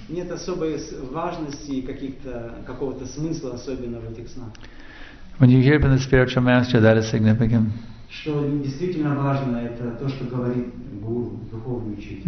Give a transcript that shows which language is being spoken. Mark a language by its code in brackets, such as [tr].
[ru] Нет особой важности какого-то смысла особенно в этих снах. [en] When you hear from the spiritual master, that is significant. [ru] Что действительно важно, это то, что говорит гуру, духовный учитель.